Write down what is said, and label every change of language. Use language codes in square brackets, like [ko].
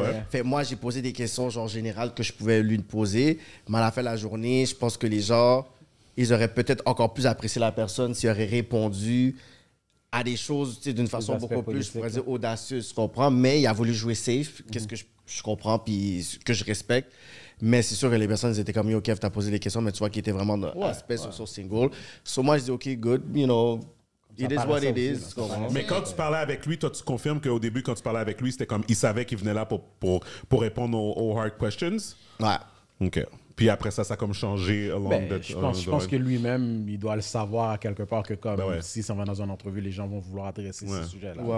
[fr] Fait, moi, j'ai posé des questions genre générales que je pouvais lui poser, mais à la fin de la journée, je pense que les gens, ils auraient peut-être encore plus apprécié la personne s'ils auraient répondu à des choses d'une façon beaucoup plus, je pourrais dire, audacieuse, je comprends, mais il a voulu jouer safe, qu'est-ce que je comprends, puis que je respecte. Mais c'est sûr que les personnes étaient comme, yo, Kev, t'as posé des questions, mais tu vois qu'ils étaient vraiment dans l'aspect sur single. [en] So [fr] moi, je dis, [en] OK, good, you know, it is what it is. [fr] Mais quand tu parlais avec lui, toi, tu confirmes qu'au début, quand tu parlais avec lui, c'était comme, il savait qu'il venait là pour répondre aux [en] hard questions? [fr] Ouais. OK. Puis après ça, ça a comme changé [en] along the line. [fr] Je pense que lui-même, il doit le savoir quelque part que comme, si ça va dans une entrevue, les gens vont vouloir adresser ce sujet-là.